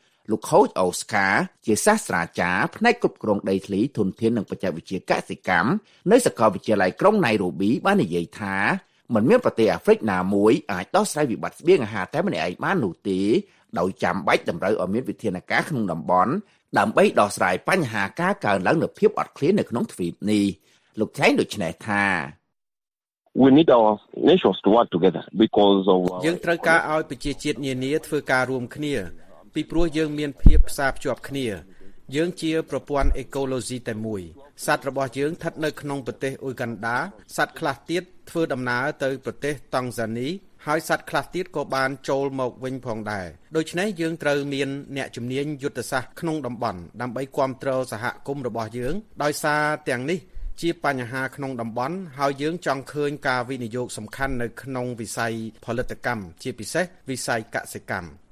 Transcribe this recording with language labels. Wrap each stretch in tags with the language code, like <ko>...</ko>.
<km>លោក Coach Oscar ជាសាស្ត្រាចារ្យផ្នែកគ្រប់គ្រងដីធ្លីធនធាននិងបច្ចេកវិទ្យាកសិកម្មនៅសាកលវិទ្យាល័យក្រុង Nairobi បាននិយាយថាមិនមានប្រទេសអាហ្វ្រិកណាមួយអាចដោះស្រាយវិបត្តិស្បៀងអាហារតែម្នាក់ឯងបាននោះទេដោយចាំបាច់តម្រូវឲ្យមានវិធានការក្នុងតំបន់ដើម្បីដោះស្រាយបញ្ហាការកើនឡើងនូវភាពអត់ឃ្លាននៅក្នុងទ្វីបនេះលោកថែងដូចនេះថា</km> <en>We need our nations to work together because of</en> <km>យើងត្រូវការឲ្យប្រជាជាតិនានាធ្វើការរួមគ្នាពីព្រោះយើងមានភាពផ្សារភ្ជាប់គ្នាយើងជាប្រព័ន្ធអេកូឡូស៊ីតែមួយ សត្វរបស់យើងស្ថិតនៅក្នុងប្រទេសអ៊ុយហ្គាន់ដាសត្វខ្លះទៀតធ្វើដំណើរទៅប្រទេសតង់ហ្សានីហើយសត្វខ្លះទៀតក៏បានចូលមកវិញផងដែរដូច្នេះយើងត្រូវមានអ្នកជំនាញយុទ្ធសាស្ត្រក្នុងតំបន់ដើម្បីគ្រប់គ្រងសហគមន៍របស់យើងដោយសារទាំងនេះជាបញ្ហាក្នុងតំបន់ហើយយើងចង់ឃើញការវិនិយោគសំខាន់នៅក្នុងវិស័យផលិតកម្មជាពិសេសវិស័យកសិកម្ម</km>